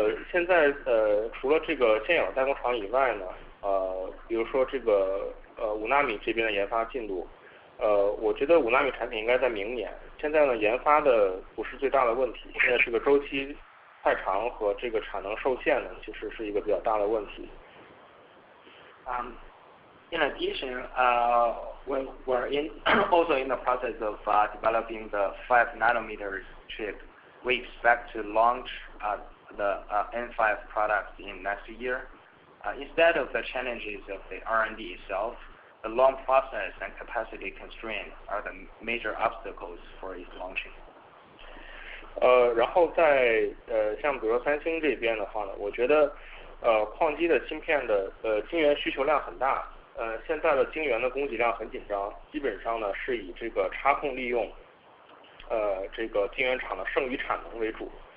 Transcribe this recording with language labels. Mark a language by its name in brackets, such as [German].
[Chinese] 现在除了这个现有代工厂以外呢，比如说这个五纳米这边的研发进度。我觉得五纳米产品应该在明年。现在呢，研发的不是最大的问题，现在这个周期太长和这个产能受限呢，其实是一个比较大的问题。 [English] In addition, we're also in the process of developing the 5-nanometer chip. We expect to launch N5 product in next year. Instead of the challenges of the R&D itself. The long process and capacity constraint are the major obstacles for its launching. [Chinese] 然后在像比如说三星这边的话呢，我觉得矿机的芯片的晶圆需求量很大，现在的晶圆的供给量很紧张，基本上呢是以这个插空利用，这个晶圆厂的剩余产能为主。